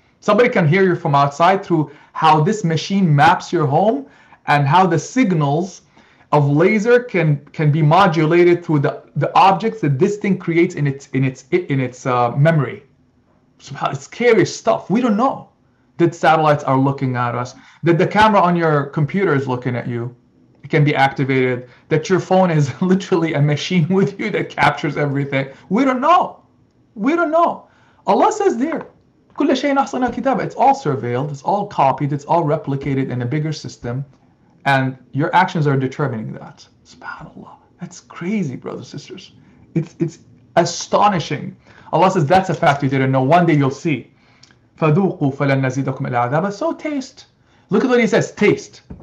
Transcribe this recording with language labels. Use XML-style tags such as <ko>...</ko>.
<en>Somebody can hear you from outside through how this machine maps your home and how the signals of laser can be modulated through the objects that this thing creates in its memory. It's scary stuff. We don't know that satellites are looking at us, that the camera on your computer is looking at you. It can be activated, that your phone is literally a machine with you that captures everything. We don't know. Allah says there,</en> <ar>كُلَّ شَيْءٍ أَحْصَيْنَاهُ كِتَابًا.</ar> <en>It's all surveilled, it's all copied, it's all replicated in a bigger system. And your actions are determining that. SubhanAllah. That's crazy, brothers and sisters. It's astonishing. Allah says, that's a fact you didn't know. One day you'll see.</en> <ar>فَذُوقُوا فَلَن نَزِيدَكُمْ الْعَذَابَ.</ar> <en>So taste. Look at what he says. Taste.</en>